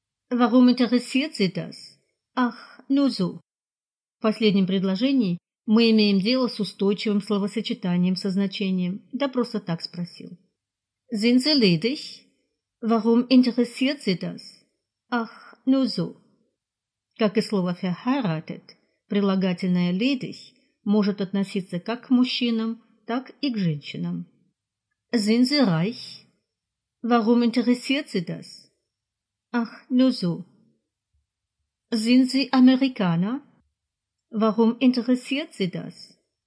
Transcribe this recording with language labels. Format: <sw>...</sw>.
<de>Warum interessiert Sie das? Ach, nur so.</de> <ru>В последнем предложении мы имеем дело с устойчивым словосочетанием со значением. Да просто так спросил.</ru> <de>Sind Sie ledig? Warum interessiert Sie das? Ach, nur so.</de> <ru>Как и слово verheiratet, прилагательное ledig может относиться как к мужчинам, так и к женщинам.</ru> <de>Sind Sie reich? Warum interessiert Sie das? Ach, nur so. Sind Sie Amerikaner? Warum interessiert Sie das?</de>